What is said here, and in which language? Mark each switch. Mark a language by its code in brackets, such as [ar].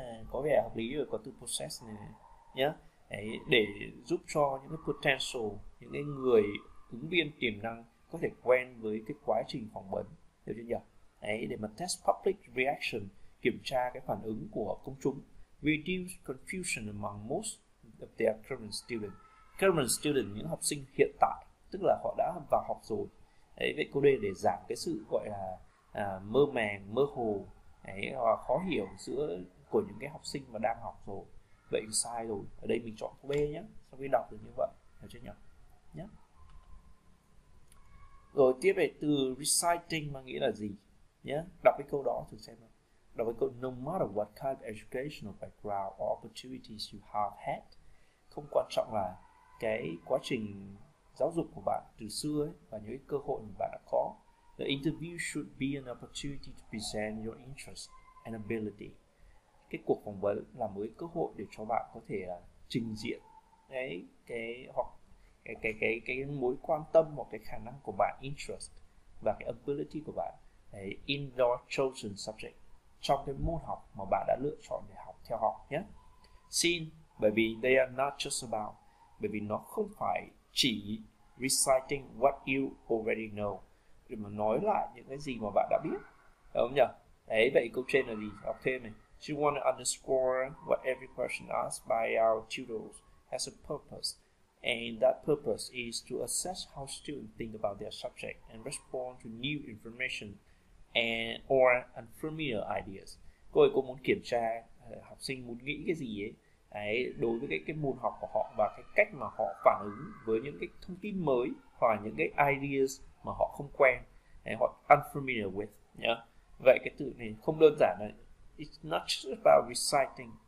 [vi] Có vẻ hợp lý rồi, có từ process này nhé. Đấy, để giúp cho những cái potential, những cái người ứng viên tiềm năng có thể quen với cái quá trình phỏng vấn, hiểu chưa nhỉ? Đấy, để mà [en] test public reaction, [vi] kiểm tra cái phản ứng của công chúng. [en] Reduce confusion among most of their current student. [vi] Current student, những học sinh hiện tại, tức là họ đã vào học rồi. Đấy, vậy câu D để giảm cái sự gọi là mơ màng, mơ hồ, đấy, hoặc khó hiểu giữa của những cái học sinh mà đang học rồi. Vậy thì sai rồi. Ở đây mình chọn câu B nhé. Sau khi đọc được như vậy, hiểu chưa nhỉ? Nhé. Rồi tiếp về từ reciting mà nghĩa là gì? nhé. Đọc cái câu đó thử xem nào. Đọc cái câu: [en] No matter what kind of educational background or opportunities you have had, [vi] không quan trọng là cái quá trình giáo dục của bạn từ xưa ấy, và những cái cơ hội mà bạn đã có. [en] The interview should be an opportunity to present your interest and ability. [vi] Cái cuộc phỏng vấn là một cái cơ hội để cho bạn có thể trình diện đấy, cái hoặc cái mối quan tâm hoặc cái khả năng của bạn, interest và cái ability của bạn đấy, [en] in your chosen subject, [vi] trong cái môn học mà bạn đã lựa chọn để học theo học nhé. Seen, bởi vì [en] they are not just about, [vi] bởi vì nó không phải chỉ [en] reciting what you already know, [vi] để mà nói lại những cái gì mà bạn đã biết, đúng không nhỉ? Đấy, vậy câu trên là gì? Học thêm này. [en] She want to underscore what every question asked by our tutors has a purpose, and that purpose is to assess how students think about their subject and respond to new information and or unfamiliar ideas. [vi] Cô ấy cũng muốn kiểm tra học sinh muốn nghĩ cái gì ấy, đấy, đối với cái môn học của họ và cái cách mà họ phản ứng với những cái thông tin mới hoặc những cái ideas mà họ không quen, đấy, họ unfamiliar with nhá. Vậy cái từ này không đơn giản đấy. [en] It's not just about reciting.